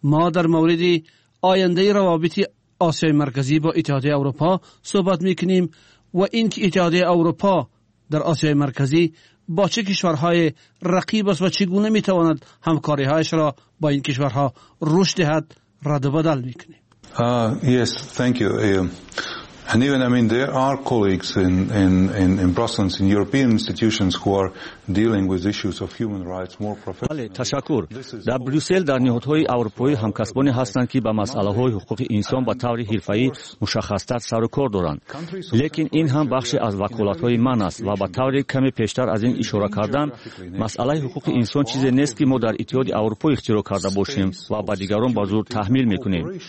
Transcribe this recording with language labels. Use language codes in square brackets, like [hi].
[fa] ما در مورد آینده روابط آسیای مرکزی با اتحادیه اروپا صحبت میکنیم و اینکه اتحادیه اروپا در آسیای مرکزی با چه کشورهای رقیب است و چگونه میتواند همکاری هایش را با این کشورها رشد دهد، رد و بدل میکنیم. [en] Yes, thank you. And even, I mean, there are colleagues in Brussels, in European institutions who are dealing with issues of human rights more professionally. [fa] بله، تشکر. در بروسل در نهادهای اروپایی همکسبانی هستند که با مسئله های حقوق انسان به طور حرفه‌ای مشخص‌تر سر و کار دارند. لیکن این هم بخشی از وکالت های من است و به طور کمی پیشتر از این اشاره کردم، مسئله حقوق انسان چیزی نیست که ما در اتحاد اروپایی اختیار کرده باشیم و به دیگران به زور تحمیل میکنیم.